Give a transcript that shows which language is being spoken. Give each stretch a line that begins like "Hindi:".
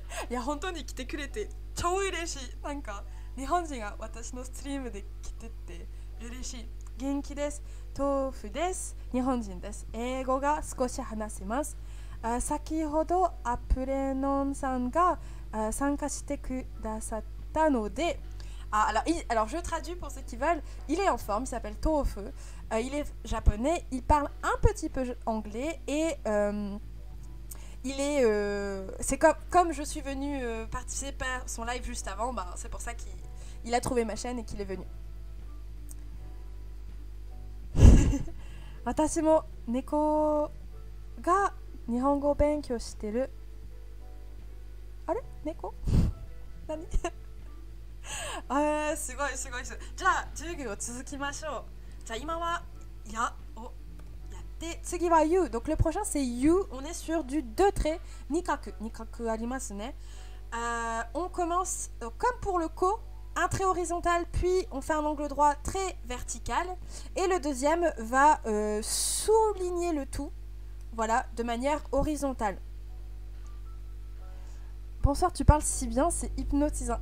Japanese: いや本当に来てくれて超嬉しい。なんか日本人が私のストリームで来てて嬉しい。元気です。Tofu です。日本人です。英語が少し話せます。先ほどアプレノンさんが参加してくださったので、
French: Ah, alors je traduis pour ceux qui veulent. Il est en forme, il s'appelle Tohofu. Il est japonais, il parle un petit peu anglais et il est. C'est comme je suis venue participer à son live juste avant, ben, c'est pour ça qu'il a trouvé ma chaîne et qu'il est venu.
Japanese: Watashi mo neko ga nihongo benkyou shite ru. Are? Neko? Nani? すごいすごいすごい。じゃあ授業を続きましょう。じゃあ今はやをやって、次は
French: you。Donc le prochain c'est you。 On est sur du deux traits。
Japanese: Nikaku Nikaku ありますね。
French: On commence comme pour le ko, un trait horizontal, puis on fait un angle droit très vertical, et le deuxième va souligner le tout, voilà, de manière horizontale. Bonsoir, tu parles si bien, c'est hypnotisant.